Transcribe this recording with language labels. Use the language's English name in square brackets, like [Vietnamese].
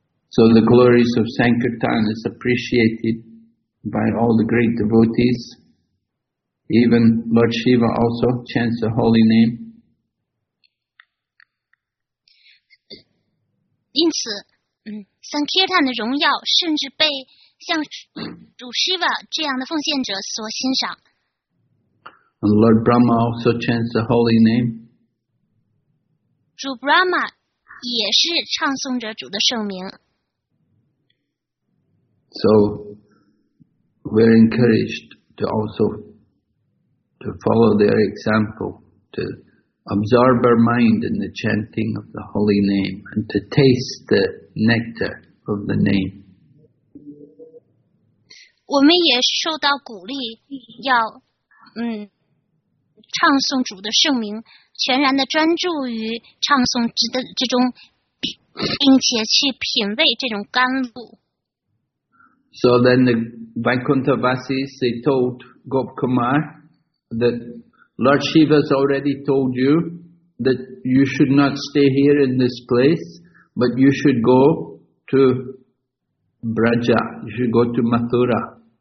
[English] So the glories of Sankirtan is appreciated by all the great devotees. Even Lord Shiva also chants the holy name. [Chinese] 因此，像帖坦的荣耀甚至被像主 Shiva 这样的奉献者所欣赏。 [English] And Lord Brahma also chants the holy name. [Chinese] 主 Brahma 也是唱诵着主的圣名。 [English] So we're encouraged to also to follow their example, to absorb our mind in the chanting of the holy name and to taste the nectar of the name. [Chinese] 我们也受到鼓励要唱诵主的圣名，全然的专注于唱诵之中，并且去品味这种甘露。 [English] So then the Vaikuntha Vasis, they told Gop Kumar that Lord Shiva's already told you that you should not stay here in this place, but you should go to Braja, you should go to Mathura.